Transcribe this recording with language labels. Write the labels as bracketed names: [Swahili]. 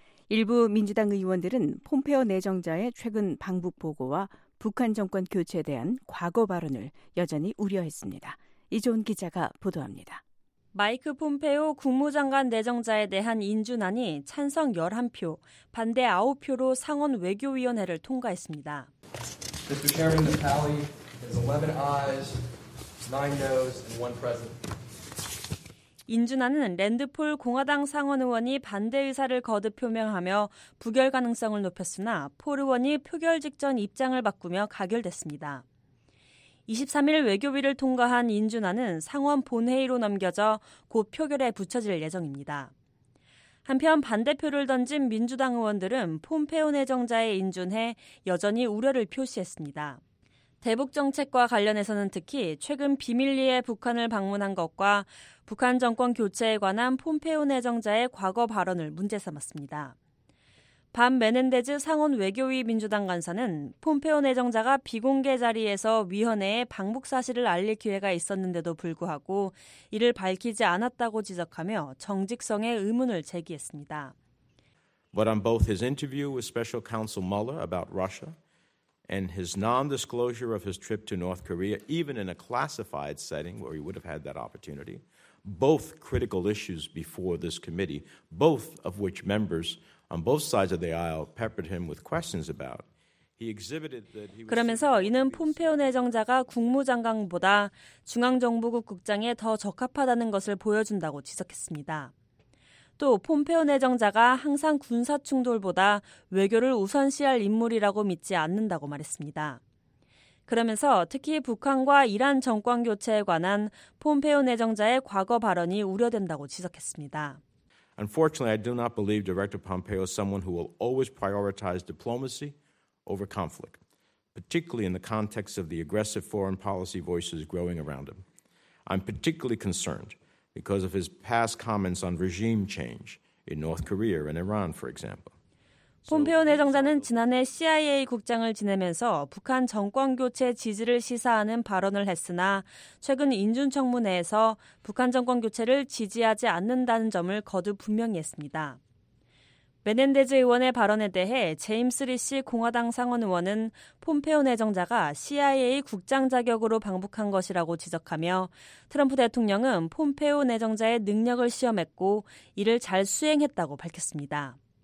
[Korean] 일부 민주당 의원들은 폼페오 내정자의 최근 방북 보고와 북한 정권 교체에 대한 과거 발언을 여전히 우려했습니다. 이종 기자가 보도합니다. 마이크 폼페오 국무장관 내정자에 대한 인준안이 찬성 11표, 반대 9표로 상원 외교위원회를 통과했습니다. [English] Mr. Chairman, the tally is 11 ayes, 9 noes, and 1 present. [Korean] 인준안은 랜드폴 공화당 상원 의원이 반대 의사를 거듭 표명하며 부결 가능성을 높였으나 폴 의원이 표결 직전 입장을 바꾸며 가결됐습니다. 23일 외교위를 통과한 인준안은 상원 본회의로 넘겨져 곧 표결에 붙여질 예정입니다. 한편 반대표를 던진 민주당 의원들은 폼페오 내정자의 인준에 여전히 우려를 표시했습니다. 대북정책과 관련해서는 특히 최근 비밀리에 북한을 방문한 것과 북한 정권 교체에 관한 폼페오 내정자의 과거 발언을 문제 삼았습니다. 밤 메넨데즈 상원 외교위 민주당 간사는 폼페오 내정자가 비공개 자리에서 위원회에 방북 사실을 알릴 기회가 있었는데도 불구하고 이를 밝히지 않았다고 지적하며 정직성에 의문을 제기했습니다. [English] But on both his interview with Special Counsel Mueller about Russia and his non-disclosure of his trip to North Korea, even in a classified setting where he would have had that opportunity, both critical issues before this committee, both of which members on both sides of the aisle peppered him with questions about. He exhibited that he was. [Korean] 그러면서 이는 폼페오 내정자가 국무장관보다 중앙정보국 국장에 더 적합하다는 것을 보여준다고 지적했습니다. 또 폼페오 내정자가 항상 군사 충돌보다 외교를 우선시할 인물이라고 믿지 않는다고 말했습니다. 그러면서 특히 북한과 이란 정권 교체에 관한 폼페오 내정자의 과거 발언이 우려된다고 지적했습니다. [English] Unfortunately, I do not believe Director Pompeo is someone who will always prioritize diplomacy over conflict, particularly in the context of the aggressive foreign policy voices growing around him. I'm particularly concerned because of his past comments on regime change in North Korea and Iran, for example. [Korean] 폼페오 내정자는 지난해 CIA 국장을 지내면서 북한 정권교체 지지를 시사하는 발언을 했으나 최근 인준청문회에서 북한 정권교체를 지지하지 않는다는 점을 거듭 분명히 했습니다. 메넨데즈 의원의 발언에 대해 제임스 리시 공화당 상원 의원은 폼페오 내정자가 CIA 국장 자격으로 방북한 것이라고 지적하며 트럼프 대통령은 폼페오 내정자의 능력을 시험했고 이를 잘 수행했다고 밝혔습니다.